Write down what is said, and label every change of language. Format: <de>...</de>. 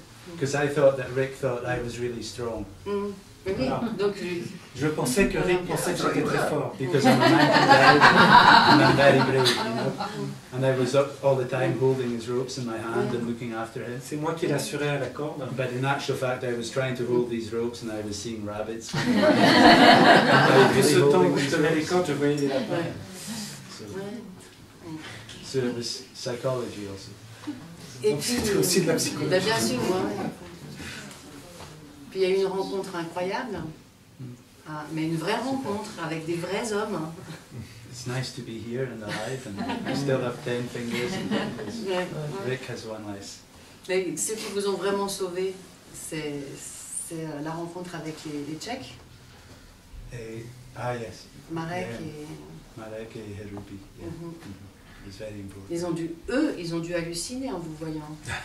<en>Because I thought that Rick thought I was really strong.</en> <fr>Voilà. Je pensais que Rick pensait que j'étais très fort.</fr> <en>Because I'm a man who's very and I'm very brave, you know. And I was up all the time holding his ropes in my hand and looking after him.</en> <fr>C'est moi qui l'assurais à la corde.</fr> <en>But in actual fact, I was trying to hold these ropes and I was seeing rabbits.</en> <fr>Depuis ce temps où je tenais les cordes, je voyais des lapins.</fr> <en>So it was psychology also.</en> <fr>C'était aussi de la psychologie. Bien sûr, moi. Puis il y a eu une rencontre incroyable, mais une vraie rencontre avec des vrais hommes.</fr> <en>It's nice to be here and alive, and I still have 10 fingers. Rick has one less.</en> <fr>Mais ceux qui vous ont vraiment sauvé, c'est la rencontre avec les Tchèques.</fr> <en>Yes.</en> <fr>Marek et</fr> <en>Herubi. Yeah. It's very important.</en> <fr>Ils ont dû halluciner en vous voyant.</fr>